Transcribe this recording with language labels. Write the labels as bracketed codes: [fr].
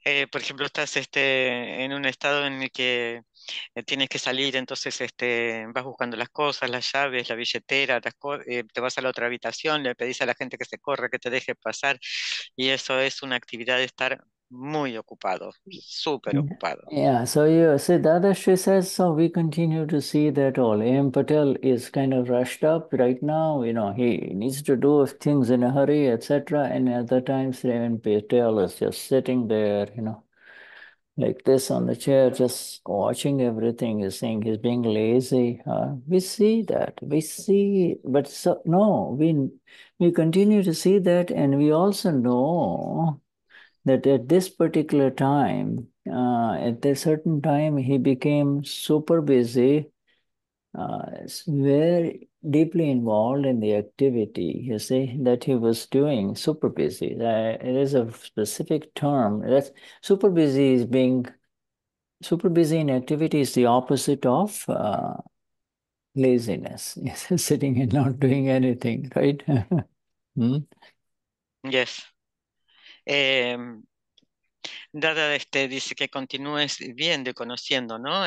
[es] Por ejemplo, estás en un estado en el que tienes que salir, entonces vas buscando las cosas, las llaves, la billetera, te vas a la otra habitación, le pedís a la gente que se corra, que te deje pasar, y eso es una actividad de estar muy ocupado, súper ocupado. [en] Yeah, so you see, Dada Shri says, so we continue to see that all. A.M. Patel is kind of rushed up right now, you know, he needs to do things in a hurry, etc. And at other times, A.M. Patel is just sitting there, you know, like this on the chair, just watching everything. He's saying he's being lazy. Huh? We see that. We see, but so, no, we continue to see that, and we also know that at this particular time, at a certain time, he became super busy, very deeply involved in the activity, you see, that he was doing, super busy. It is a specific term. That's super busy is being, super busy in activity is the opposite of laziness, sitting and not doing anything, right? Yes. [es] Dada dice que continúes viendo y conociendo, ¿no?